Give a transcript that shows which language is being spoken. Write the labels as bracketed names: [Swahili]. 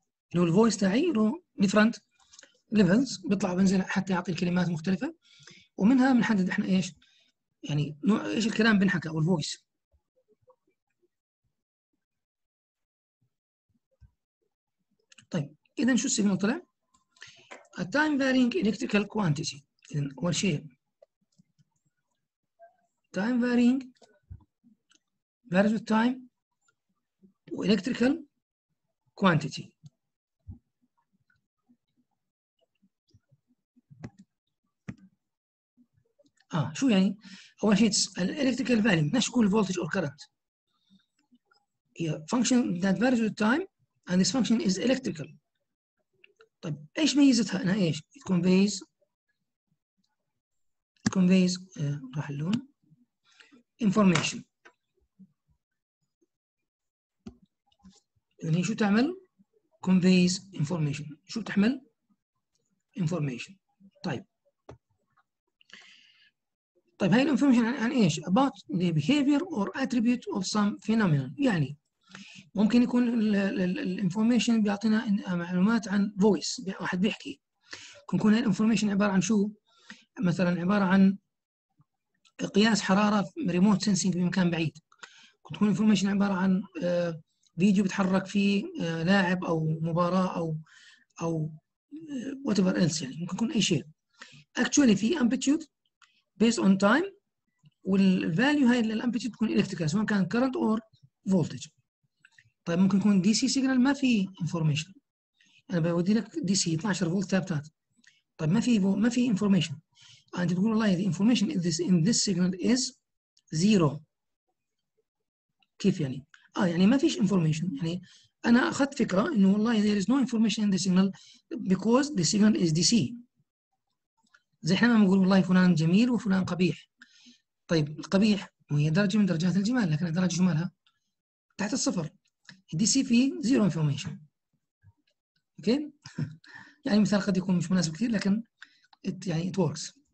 [Arabic] اللي هو الفويس تاعي له ديفرنت ليفلز، بيطلع وبنزل حتى يعطي الكلمات مختلفة. ومنها بنحدد احنا ايش يعني نوع ايش الكلام بنحكى او الفويس. طيب اذا شو السيجنال طلع؟ [English] A time varying electrical quantity. [Arabic] اذا اول شيء [English] time varying varies with time و electrical quantity. [Arabic] شو يعني؟ اول شيء الالكتريكال فاليو، ماش يكون الفولتج او الكرنت، هي [English] Function that varies with time and this function is electrical. [Arabic] طيب ايش ميزتها انها ايش؟ كونفيز راح اللون انفورميشن. يعني شو تعمل؟ كونفيز انفورميشن، شو بتحمل؟ انفورميشن. طيب طيب هاي الانفورميشن عن ايش؟ [English] about the behavior or attribute of some phenomenon. [Arabic] يعني ممكن يكون الانفورميشن بيعطينا معلومات عن فويس، واحد بيحكي. يكون الانفورميشن عباره عن شو؟ مثلا عباره عن قياس حراره ريموت سنسنج بمكان بعيد. تكون الانفورميشن عباره عن فيديو بيتحرك فيه لاعب او مباراه او وات ايفر ايلس، يعني ممكن يكون اي شيء. اكشولي في امبليتيود based on time، والvalue هاي للامبليتيود تكون electrical سواء كان [English] current or voltage. [Arabic] طيب ممكن يكون DC signal ما في information، انا بودي لك DC 12 فولت ثابتات. طيب ما في information، انت تقول والله [English] the information in this signal is zero. [Arabic] كيف يعني؟ يعني ما فيش information، يعني انا اخذت فكره انه والله [English] there is no information in the signal because the signal is DC. [Arabic] زي احنا ما نقول والله فلان جميل وفلان قبيح. طيب القبيح وهي درجه من درجات الجمال، لكن درجه جمالها تحت الصفر، دي سي في زيرو انفورميشن. اوكي يعني مثال قد يكون مش مناسب كثير، لكن يعني ات وركس.